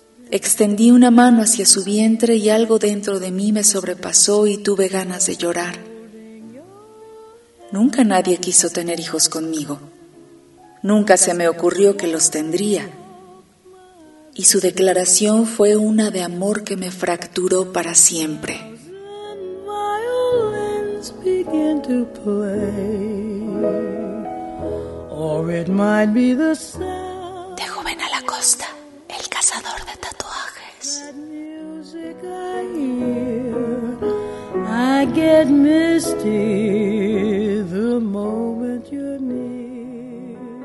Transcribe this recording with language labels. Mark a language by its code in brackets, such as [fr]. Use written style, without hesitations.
[es] Extendí una mano hacia su vientre y algo dentro de mí me sobrepasó y tuve ganas de llorar. Nunca nadie quiso tener hijos conmigo. Nunca se me ocurrió que los tendría. Y su declaración fue una de amor que me fracturó para siempre. [en] Violins begin to play, or it might be the sound. [es] De joven a la costa, el cazador de tatuajes. [en] Music I hear, I get misty the moment you're near.